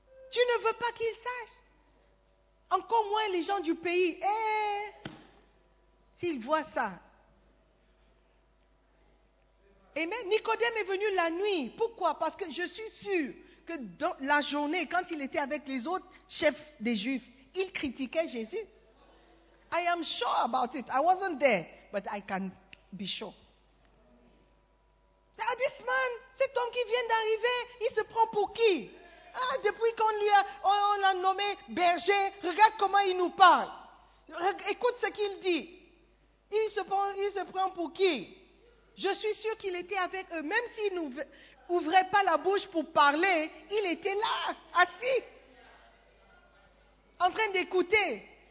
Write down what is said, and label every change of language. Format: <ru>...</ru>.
<fr>Tu ne veux pas qu'ils sachent. Encore moins les gens du pays. S'ils voient ça. Amen. Nicodème est venu la nuit. Pourquoi? Parce que je suis sûre que dans la journée, quand il était avec les autres chefs des Juifs, il critiquait Jésus.</fr> <en>I am sure about it. I wasn't there, but I can be sure.</en> <fr>Ah,</fr> <en>this man,</en> <fr>cet homme qui vient d'arriver, il se prend pour qui? Ah, depuis qu'on lui a, on l'a nommé berger, regarde comment il nous parle. Écoute ce qu'il dit. Il se prend pour qui? Je suis sûr qu'il était avec eux. Même s'il n'ouvrait pas la bouche pour parler, il était là, assis, en train d'écouter.</fr>